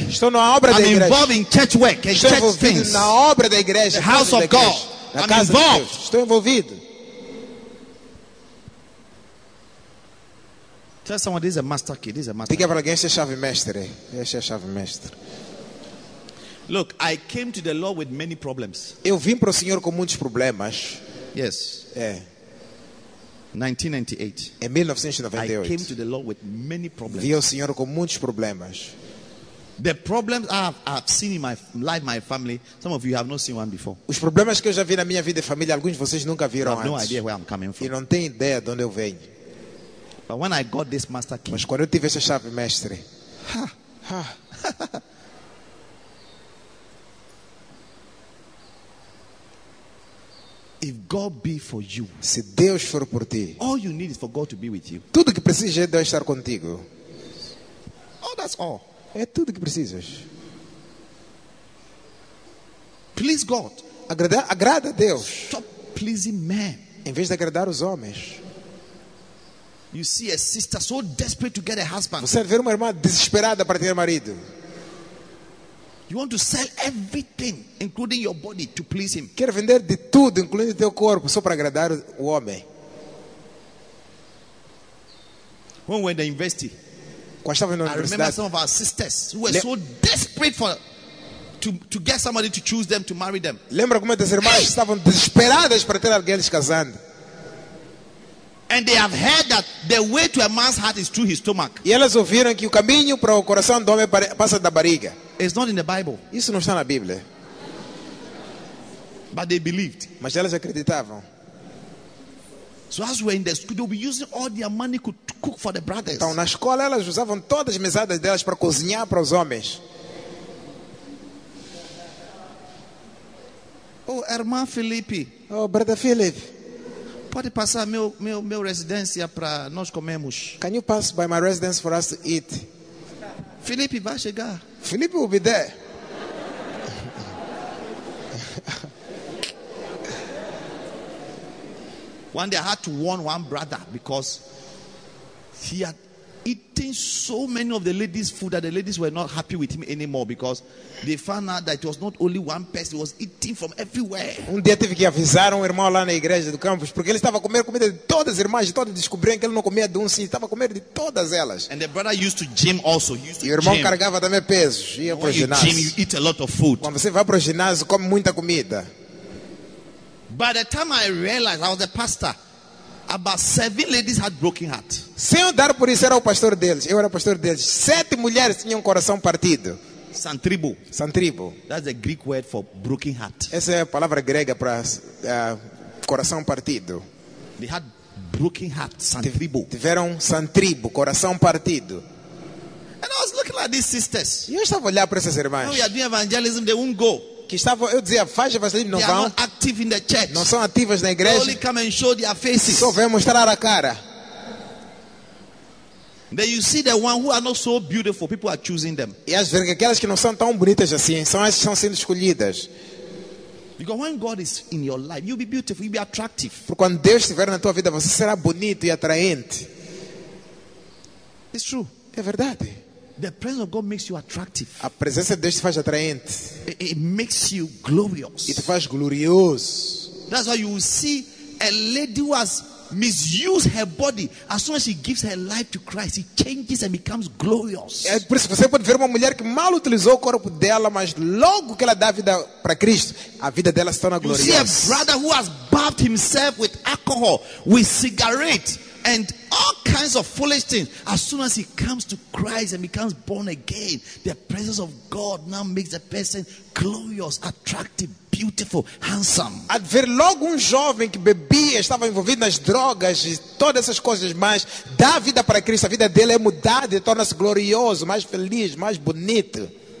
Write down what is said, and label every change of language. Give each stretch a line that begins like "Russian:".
Portuguese: Estou na obra da
English: I'm
Portuguese: igreja.
English: I'm involved in church work and
Portuguese: estou
English: church things.
Portuguese: Na obra da igreja.
English: The house of God.
Portuguese: Na casa de Deus. Estou envolvido.
English: Tell someone this is a master key. This is a master.
Portuguese: Diga para alguém, essa é a chave mestre. Essa é a chave mestre.
English: Look, I came to the Lord with many problems.
Portuguese: Eu vim para o Senhor com muitos problemas.
English: Yes.
Portuguese: É.
English: 1998.
Portuguese: Em
English: 1998. I came to the Lord with many problems.
Portuguese: Vi o Senhor com muitos problemas.
English: The problems I've seen in my life, my family. Some of you have not seen one before.
Portuguese: Os problemas que eu já vi na minha vida e família, alguns de vocês nunca viram antes.
English: I have no idea where I'm coming from.
Portuguese: E não tem ideia de onde eu venho.
English: But when I got this master key.
Portuguese: Mas quando eu tive essa chave mestre.
English: If God be for you,
Portuguese: se Deus for por ti,
English: all you need is for God to be with you.
Portuguese: Tudo que precisa é Deus estar contigo.
English: Oh, that's all.
Portuguese: É tudo que precisas.
English: Please God,
Portuguese: agrada Deus.
English: Stop pleasing men.
Portuguese: Em vez de agradar os homens.
English: You see a sister so desperate to get a husband.
Portuguese: Você vê uma irmã desesperada para ter marido.
English: You want to sell everything, including your body, to please him.
Portuguese: Quer vender de tudo, incluindo teu corpo, só para agradar o homem.
English: When were they investing?
Portuguese: Quando estava na universidade.
English: I remember some of our sisters who were so desperate for to get somebody to choose them to marry them.
Portuguese: Lembra como as irmãs estavam desesperadas para ter alguém se casando?
English: And they have heard that the way to a man's heart is through his stomach.
Portuguese: E elas ouviram que o caminho para o coração do homem passa da barriga.
English: It's not in the Bible.
Portuguese: Isso não está na Bíblia.
English: But they believed.
Portuguese: Mas elas acreditavam.
English: So as we were in the school, they were using all their money to cook for the brothers.
Portuguese: Então na escola elas usavam todas as mesadas delas para cozinhar para os homens. Oh, irmão Felipe.
English: Oh, brother Philip.
Portuguese: Pode passar meu residência para nós comermos?
English: Can you pass by my residence for us to eat?
Portuguese: Felipe vai chegar.
English: Felipe will be there. One day I had to warn one brother because he had eaten so many of the ladies' food that the ladies were not happy with him anymore because they found out that it was not only one person, he was eating from everywhere.
Portuguese: Um dia tive que avisar um irmão lá na igreja do campus porque ele estava comendo comida de todas as irmãs, de todas, descobriram que ele não comia de um sim, estava comendo de todas elas.
English: And the brother used to gym also. He used to
Portuguese: e o irmão
English: gym.
Portuguese: Carregava também pesos, ia para o ginásio.
English: Gym, you eat a lot of food.
Portuguese: Quando você vai para o ginásio, come muita comida.
English: By the time I realized I was a pastor, about 7 ladies had broken heart.
Portuguese: Sem dar por isso era o pastor deles. Eu era o pastor deles. 7 mulheres tinham coração partido. Santribo. Santribo.
English: That's a Greek word for broken heart.
Portuguese: Essa é a palavra grega para coração partido.
English: They had broken heart. Santribo.
Portuguese: Tiveram santribo, coração partido.
English: And I was looking at these sisters.
Portuguese: Eu estava a olhar para essas irmãs.
English: When we are doing evangelism, they won't go.
Portuguese: Que estava, eu dizia, faz evangelismo, não vão.
English: Active in the church.
Portuguese: Não são ativas na igreja.
English: They only come and show their faces.
Portuguese: Só vêm mostrar a cara.
English: Then you see the one who are not so beautiful, people are choosing them.
Portuguese: E as vezes aquelas que não são tão bonitas assim, são as que estão sendo escolhidas.
English: Because when God is in your life, you'll be beautiful, you'll be attractive.
Portuguese: Porque quando Deus estiver na tua vida, você será bonito e atraente.
English: It's true.
Portuguese: É verdade.
English: The presence of God makes you attractive.
Portuguese: A presença de Deus te faz atraente.
English: It makes you glorious.
Portuguese: E te faz glorioso.
English: That's why you will see a lady who has misuse her body, as soon as she gives her life to Christ, it changes and becomes glorious.
Portuguese: É por isso que você pode ver uma mulher que mal utilizou o corpo dela, mas logo que ela dá a vida para Cristo, a vida dela se torna gloriosa.
English: You see a brother who has bathed himself with alcohol, with cigarettes, and all kinds of foolish things. As soon as he comes to Christ and becomes born again, the presence of God now makes the person glorious, attractive, beautiful, handsome.
Portuguese: A ver logo jovem que bebia, estava envolvido nas drogas e todas essas coisas, mas dá vida para Cristo, a vida dele é mudada e torna-se glorioso, mais feliz, mais bonito.